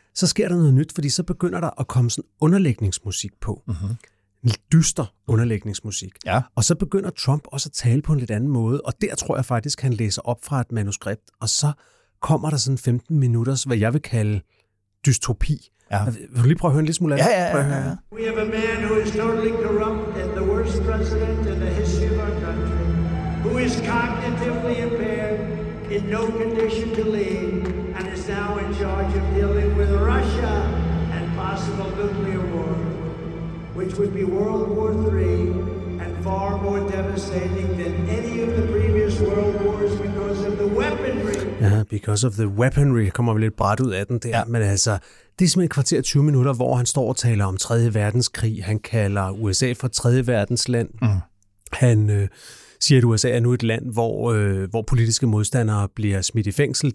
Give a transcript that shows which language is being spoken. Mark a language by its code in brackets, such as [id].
[da] Så sker der noget nyt, fordi så begynder der at komme sådan underlægningsmusik på. Mm-hmm. En dyster underlægningsmusik. Ja. Og så begynder Trump også at tale på en lidt anden måde, og der tror jeg faktisk, han læser op fra et manuskript, og så kommer der sådan 15 minutters, hvad jeg vil kalde dystopi. Ja. Vil du lige prøve at høre en lille smule af det? Ja. Prøv at høre. [en] We have a man who is totally corrupt and the worst president in the history of our country, who is cognitively impaired, in no condition to lead, and is now in charge of dealing with Russia and possible nuclear war, which would be World War III and far more devastating than any of the previous world wars because of the weaponry. [da] Ja, [en] because of the weaponry, [da] kommer vi lidt bræt ud af den der, men altså, det er simpelthen et kvarter 20 minutter, hvor han står og taler om 3. verdenskrig. Han kalder USA for 3. verdensland. Mm. Han siger, at USA er nu et land, hvor politiske modstandere bliver smidt i fængsel.